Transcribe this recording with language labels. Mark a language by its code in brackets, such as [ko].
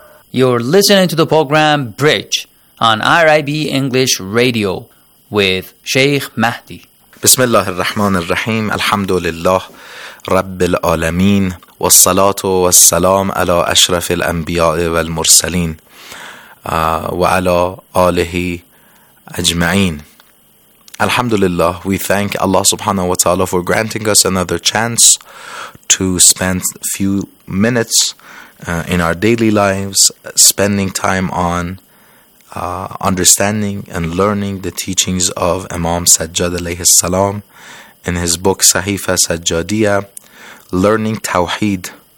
[en] You're listening to the program Bridge on RIB English Radio with Sheikh Mahdi. [ar] بسم الله الرحمن الرحيم الحمد لله رب العالمين والصلاة والسلام على أشرف الأنبياء والمرسلين وعلى آله أجمعين الحمد لله. [en] We thank Allah subhanahu wa ta'ala for granting us another chance to spend few minutes in our daily lives, spending time on understanding and learning the teachings of Imam Sajjad alayhi salam in his book Sahifa Sajjadiya, learning Tawheed